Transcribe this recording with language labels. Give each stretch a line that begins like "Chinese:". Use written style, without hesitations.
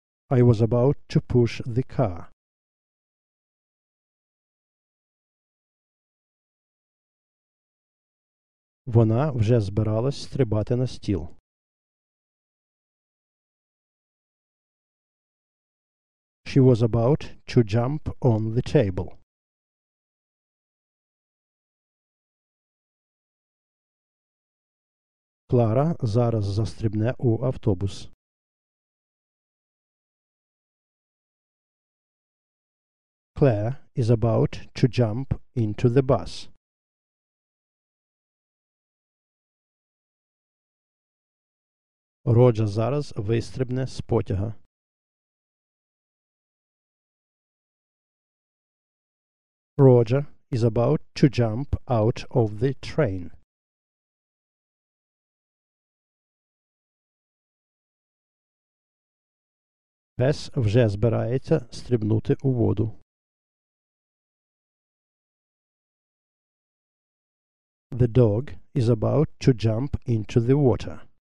English: I was about to push the car.
Ukrainian: Вона вже збиралась стрибати на стіл.
English: She was about to jump on the table.
Ukrainian: Клара зараз застрибне у автобус.
English: Claire is about to jump into the bus.
Ukrainian: Роджа зараз вистрибне з потяга.
English: Roger is about to jump out of the train.
Ukrainian: Пес вже збирається стрибнути у воду.
English: The dog is about to jump into the water.